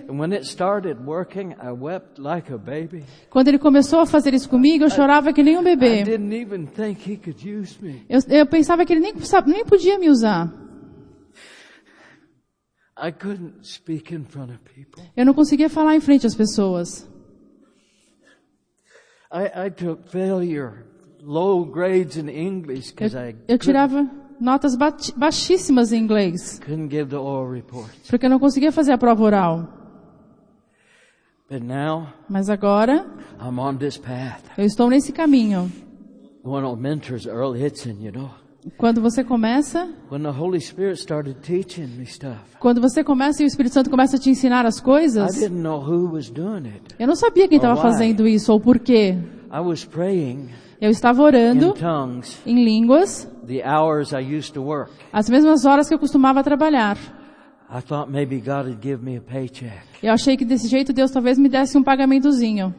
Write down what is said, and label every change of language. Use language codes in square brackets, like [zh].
[en] And when it started working, I wept like a baby. [pt] Quando ele começou a fazer isso comigo, eu chorava que nem um bebê. [en] I didn't even think he could use me. [pt] Eu pensava que ele nem podia me usar. [en] I couldn't speak in front of people. [pt] Eu não conseguia falar em frente às pessoas. [en] I took failure. Low grades in English, [pt] eu tirava notas baixíssimas em inglês. [en] Couldn't give the oral report. [pt] Porque eu não conseguia fazer a prova oral. [en] But now, [pt] mas agora, [en] I'm on this path. [pt] Eu estou nesse caminho. [en] One of mentors, Earl Hitson, you know? [pt] Quando você começa, [en] when the Holy Spirit started teaching me stuff, [pt] quando você começa e o Espírito Santo começa a te ensinar as coisas, [en] I didn't know who was doing it, [pt] eu não sabia quem estava fazendo isso ou por quê. [en] I was praying. [pt] Eu estava orando [en] in tongues, [pt] em línguas [en] the hours I used to work. [pt] As mesmas horas que eu costumava trabalhar. [en] I thought maybe God would give me a paycheck. [pt] Eu achei que desse jeito Deus talvez me desse um pagamentozinho